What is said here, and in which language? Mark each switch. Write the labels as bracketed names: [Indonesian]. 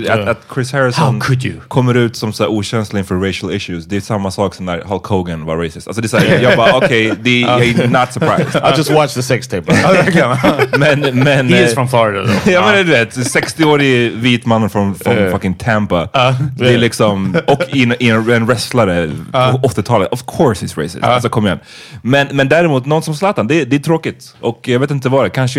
[Swedish] att Chris Harrison kommer ut som så här okänslig inför [English] racial issues, [Swedish] det är samma sak som när Hulk Hogan var racist. Alltså det är så här, jag bara, okej, [English] okay, not surprised. I'll just watch the sex tape. [Swedish] men [English] he is from Florida though. [Swedish] Ja, men du vet, 60-årig vit man från fucking Tampa. Det är liksom, och en wrestlare på 80-talet. [English] Of course he's racist. [Swedish] Alltså kom igen. Men däremot, någon som Zlatan, det är tråkigt. Och jag vet inte vad det kan.